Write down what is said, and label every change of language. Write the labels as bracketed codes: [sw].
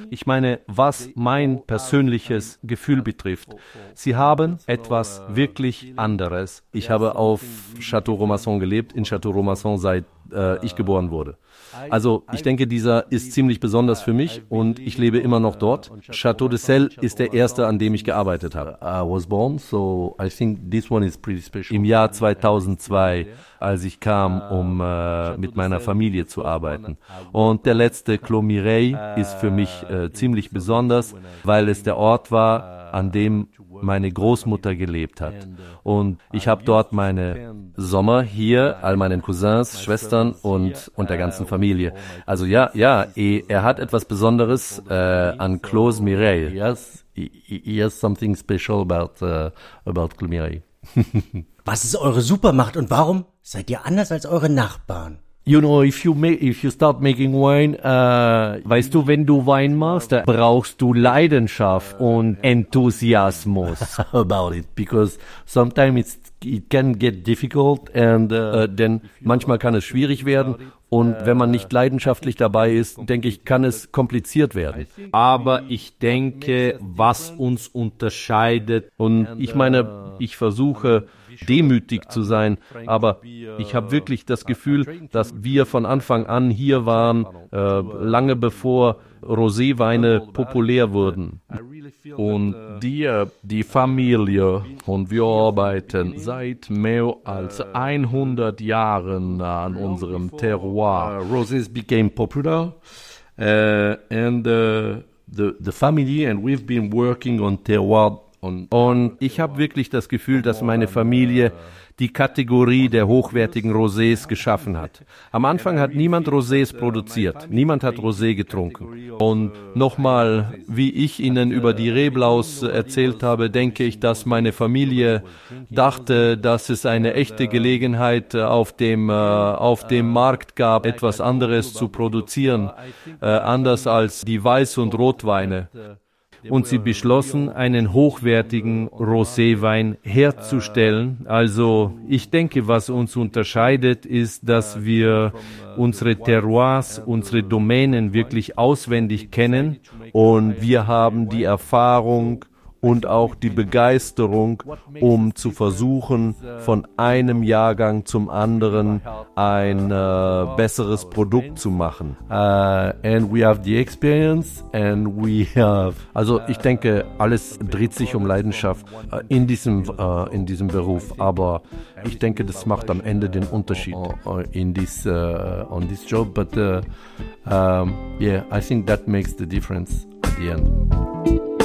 [de] Ich meine, was mein persönliches Gefühl betrifft, sie haben etwas wirklich anderes. Ich habe auf Château Romassin gelebt, in Château Romassin seit ich geboren wurde. Also ich denke, dieser ist ziemlich besonders für mich und ich lebe immer noch dort. Château de Selle ist der erste, an dem ich gearbeitet habe. [en] I was born, so I think this one is pretty special. [de] Im Jahr 2002, als ich kam, um mit meiner Familie zu arbeiten. Und der letzte, Claude Mireille, ist für mich ziemlich besonders, weil es der Ort war, an dem meine Großmutter gelebt hat. Und ich habe dort meine Sommer hier, all meinen Cousins, Schwestern und der ganzen Familie. Also ja, er hat etwas Besonderes an Claude Mireille. [en] Yes, he has something special about Claude Mireille. [de] Was ist eure Supermacht und warum seid ihr anders als eure Nachbarn? [en] You know, if you start making wine, [de] weißt du, wenn du Wein machst, brauchst du Leidenschaft und Enthusiasmus. [en] About it, because sometimes it can get difficult and [de] denn manchmal kann es schwierig werden und wenn man nicht leidenschaftlich dabei ist, denke ich, kann es kompliziert werden. Aber ich denke, was uns unterscheidet und ich meine, ich versuche demütig zu sein, aber ich habe wirklich das Gefühl, dass wir von Anfang an hier waren, lange bevor Roséweine populär wurden. und dir, die Familie und wir arbeiten seit mehr als 100 Jahren an unserem Terroir. [en] Roses became popular and the family and we've been working on terroir. [de] Und ich habe wirklich das Gefühl, dass meine Familie die Kategorie der hochwertigen Rosés geschaffen hat. Am Anfang hat niemand Rosés produziert, niemand hat Rosé getrunken. Und nochmal, wie ich Ihnen über die Reblaus erzählt habe, denke ich, dass meine Familie dachte, dass es eine echte Gelegenheit auf dem Markt gab, etwas anderes zu produzieren, anders als die Weiß- und Rotweine. Und sie beschlossen, einen hochwertigen Roséwein herzustellen. Also ich denke, was uns unterscheidet, ist, dass wir unsere Terroirs, unsere Domänen wirklich auswendig kennen. Und wir haben die Erfahrung und auch die Begeisterung, um zu versuchen, von einem Jahrgang zum anderen ein besseres Produkt zu machen. [en] And we have the experience and we have... [de] Also ich denke, alles dreht sich um Leidenschaft in diesem Beruf, aber ich denke, das macht am Ende den Unterschied. [en] On this job, but I think that makes the difference at the end.